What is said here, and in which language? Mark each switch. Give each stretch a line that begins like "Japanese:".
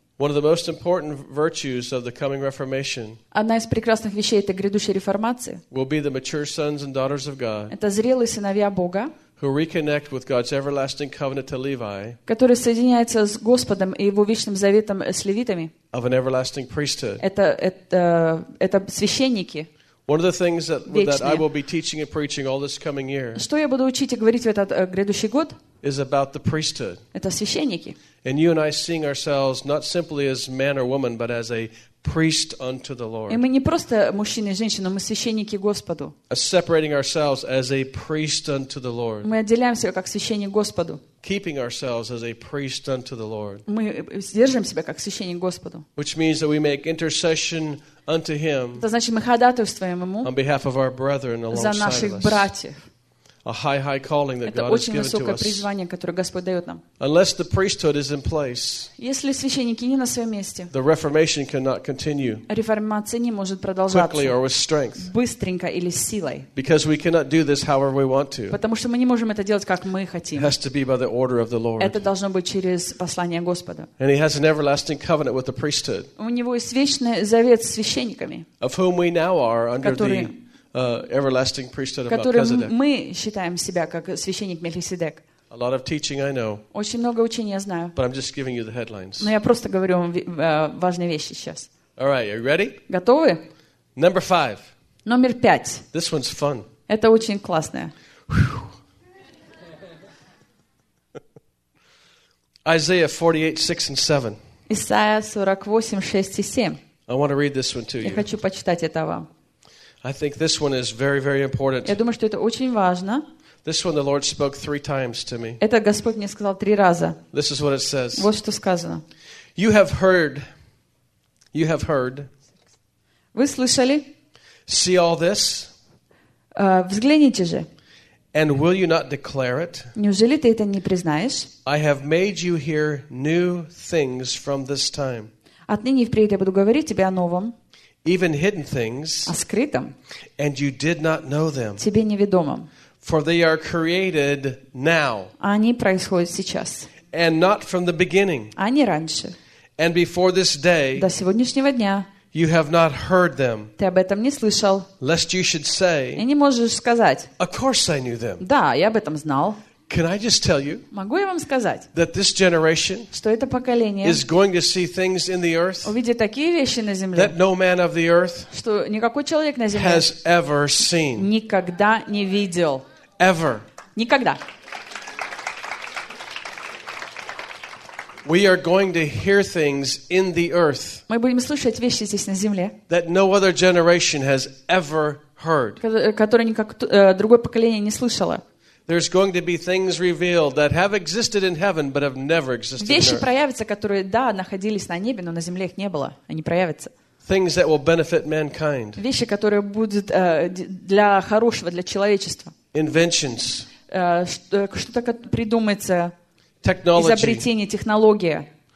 English: One of the most important virtues of the coming Reformation.
Russian: Одна из прекрасных вещей этой грядущей реформации.
English: Will be the mature sons and daughters of God.
Russian: Это зрелые сыновья Бога.
English: Who reconnect with God's everlasting covenant to Levi?
Russian: Который соединяется с Господом и его вечным заветом с левитами.
English: Of an everlasting priesthood.
Russian: Это священники.
English: One of the things that I will be teaching and preaching all this coming year.
Russian: Что я буду учить и говорить в этот грядущий год?
English: Is about the priesthood.
Russian: Это священники.
English: And you and I seeing ourselves not simply as man or woman, but as a priest unto the Lord.
Russian: И мы не просто мужчины и женщины, мы священники Господу.
English: Separating ourselves as a priest unto the Lord.
Russian: Мы отделяем себя как священник Господу.
English: Keeping ourselves as a priest unto the Lord.
Russian: Мы сдерживаем себя как священник Господу.
English: Which means that we make intercession unto Him.
Russian: Это значит, мы ходатайствуем Ему.
English: On behalf of our brethren alongside us.
Russian: За наших братьев.
English: A high calling that God has given to us.
Russian: Это очень высокое призвание, которое Господь дает нам.
English: Unless the priesthood is in place,
Russian: если священники не на своем месте,
English: the reformation cannot continue.
Russian: Реформация не может продолжаться.
English: Quickly or with strength.
Russian: Быстренько или с силой.
English: Because we cannot do this however we want to.
Russian: Потому что мы не можем это делать как мы хотим.
English: It has to be by the order of the Lord.
Russian: Это должно быть через послание Господа.
English: And He has an everlasting covenant with the priesthood.
Russian: У него есть вечный завет с священниками.
English: Of whom we now are under the everlasting priesthood of
Russian: Который мы считаем себя как священник Мелхиседек.
English: A lot of teaching I know.
Russian: Очень много учения знаю.
English: But I'm just giving you the headlines.
Russian: Но я просто говорю вам важные вещи сейчас.
English: All right, are you ready?
Russian: Готовы?
English: Number five.
Russian: Номер пять.
English: This one's fun.
Russian: Это очень классное.
English: Isaiah 48:6-7.
Russian: Исайя 48:6-7.
English: I want to read this one to you.
Russian: Я хочу почитать это вам.
English: I think this one is very, very important.
Russian: Я думаю, что это очень важно.
English: This one the Lord spoke three times to me.
Russian: Это Господь мне сказал три раза.
English: This is what it says.
Russian: Вот что сказано.
English: You have heard.
Russian: Вы слышали?
English: See all this?
Russian: Взгляните же.
English: And will you not declare it?
Russian: Неужели ты это не признаешь?
English: I have made you hear new things from this time.
Russian: Отныне и впредь я буду говорить тебе о новом.
English: Even hidden things,
Russian: о скрытом,
English: and you did not know them,
Russian: тебе неведомым.
English: For they are created now,
Russian: они происходят сейчас,
English: and not from the beginning,
Russian: а не раньше,
English: and before this day,
Russian: до сегодняшнего дня,
English: you have not heard them,
Russian: ты об этом не слышал,
English: lest you should say,
Russian: и не можешь сказать,
English: of course I knew them,
Russian: да, я об этом знал.
English: Can I just tell you,
Russian: могу я вам сказать,
English: that this generation,
Russian: что это поколение,
English: is going to see things in the earth,
Russian: увидит такие вещи на земле,
English: that no man of the earth,
Russian: что никакой человек на земле,
English: has ever seen,
Russian: никогда не видел,
English: ever,
Russian: никогда.
English: We are going to hear things in the earth.
Russian: Мы будем слышать вещи здесь на земле.
English: That no other generation has ever heard.
Russian: Которые никак другое поколение не слышало.
English: There's going to be things revealed that have existed in heaven but have never existed.
Russian: Вещи проявятся, которые да, находились на небе, но на земле их не было. Они проявятся.
English: Things that will benefit mankind.
Russian: Вещи, которые будут для хорошего для человечества.
English: Inventions.
Russian: Что-то придумается.
English: Technology.
Russian: Изобретение, технология.